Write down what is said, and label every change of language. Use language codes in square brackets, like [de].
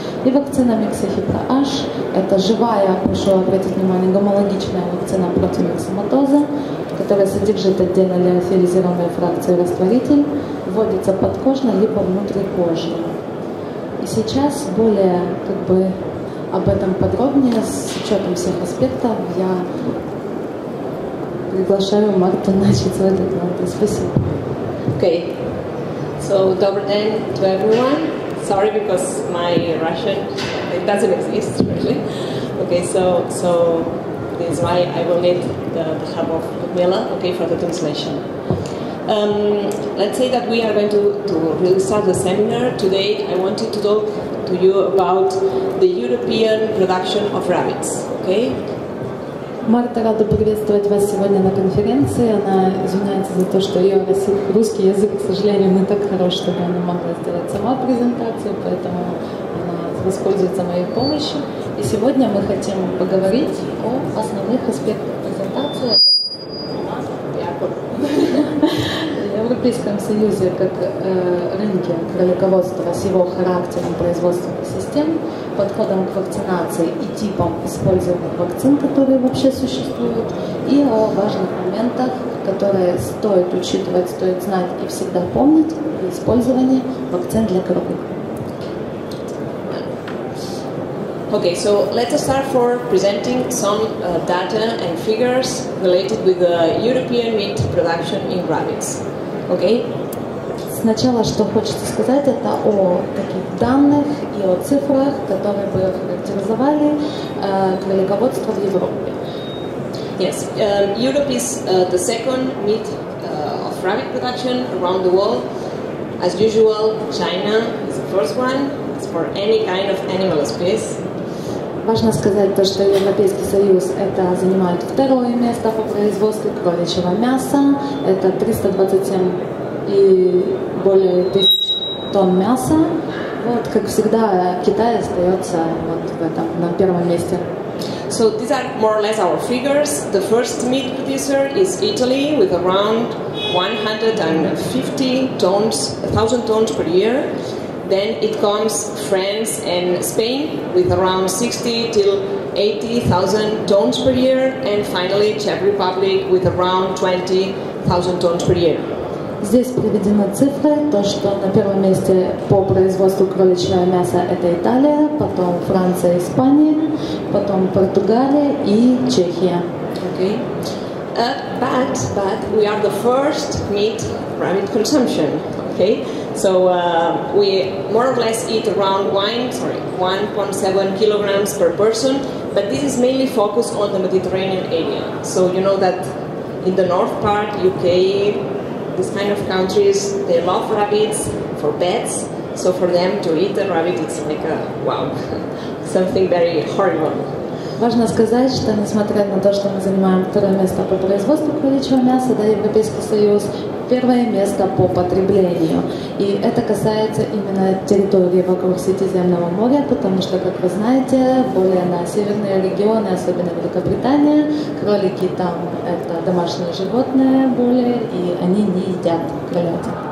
[ru] И вакцина миксохипра-H, это живая, прошу обратить внимание, гомологичная вакцина против миксоматоза, которая содержит отдельно лиофилизированные фракции растворитель, вводится подкожно либо внутрь кожи. И сейчас более как бы об этом подробнее, с учетом всех аспектов, я приглашаю Марту начать свой доклад. Спасибо. [en] Okay. So, [ru] добрый день [en] to everyone. Sorry because my Russian, it doesn't exist really. Okay, so this is why I will need the help of Mila, okay, for the translation. Let's say that we are going to really start the seminar. Today I wanted to talk to you about the European production of rabbits, okay? [ru] Марта рада приветствовать вас сегодня на конференции. Она извиняется за то, что ее русский язык, к сожалению, не так хорош, чтобы она могла сделать сама презентацию, поэтому она воспользуется моей помощью. И сегодня мы хотим поговорить о основных аспектах презентации в Европейском Союзе как рынке кролиководства с его характером производственных систем, подходом к вакцинации и типом используемых вакцин, которые вообще существуют, и о важных моментах, которые стоит учитывать, стоит знать и всегда помнить при использовании вакцин для кроликов. [en] Okay, so let us start for presenting some data and figures related with the European meat production in rabbits. Okay. [ru] Сначала, что хочется сказать, это о таких данных и о цифрах, которые бы характеризовали кролиководство в Европе. [en] Yes, Europe is the second meat of rabbit production around the world. As usual, China is the first one. It's for any kind of animal species. [ru] Важно сказать то, что Европейский Союз это занимает второе место по производству кроличьего мяса. Это 327 и более тысяч тонн мяса. Вот, как всегда, Китай остается вот в этом, на первом месте. [en] So these are more or less our figures. The first meat producer is Italy with around 150,000 tons per year. Then it comes France and Spain with around 60,000 to 80,000 tons per year, and finally Czech Republic with around 20,000 tons per year. [ru] Здесь приведены цифры, то что на первом месте по производству кроличьего мяса это Италия, потом Франция, Испания, потом Португалия и Чехия. [en] Okay. But we are the first meat rabbit consumption. Okay. So we more or less eat around 1.7 kilograms per person, but this is mainly focused on the Mediterranean area. So you know that in the north part, UK, these kind of countries, they love rabbits for pets. So for them to eat a rabbit, it's like a wow, something very horrible. [ru] Важно сказать, что несмотря на то, что мы занимаем второе место по производству кроличьего мяса, да, Европейский Союз, первое место по потреблению. И это касается именно территории вокруг Средиземного моря, потому что, как вы знаете, более на северные регионы, особенно Великобритания, кролики там – это домашние животные более, и они не едят кролики.